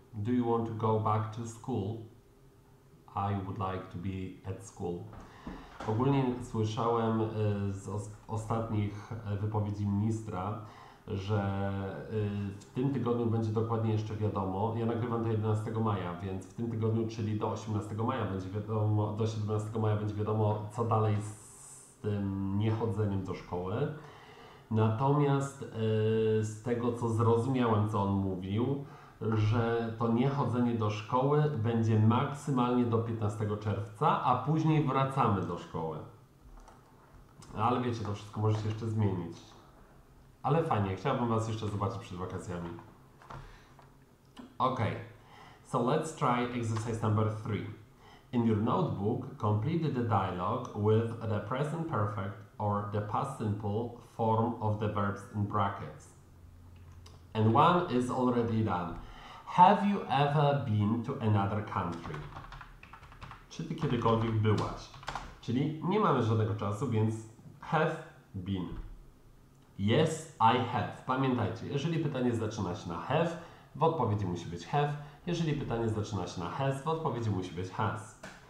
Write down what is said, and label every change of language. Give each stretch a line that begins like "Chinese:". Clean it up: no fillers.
English: Do you want to go back to school? I would like to be at school.
Polish: Ogólnie słyszałem z ostatnich wypowiedzi ministra, że w tym tygodniu będzie dokładnie jeszcze wiadomo. Ja nagrywam to 11 maja, więc w tym tygodniu, czyli do 18 maja będzie wiadomo, do 17 maja będzie wiadomo, co dalej z tym niechodzeniem do szkoły. Natomiast z tego, co zrozumiałem, co on mówił, że to niechodzenie do szkoły będzie maksymalnie do 15 czerwca, a później wracamy do szkoły. Ale wiecie, to wszystko może się jeszcze zmienić. Ale fajnie, chciałbym was jeszcze zobaczyć przed wakacjami.
English: Ok, so let's try exercise number 3. In your notebook, complete the dialogue with the present perfect or the past simple form of the verbs in brackets. And one is already done. Have you ever been to another country?
Polish: Czy ty kiedykolwiek byłaś? Czyli nie mamy żadnego czasu, więc have been.
English: Yes, I have.
Polish: Pamiętajcie, jeżeli pytanie zaczyna się na have, w odpowiedzi musi być have. Jeżeli pytanie zaczyna się na has, w odpowiedzi musi być has.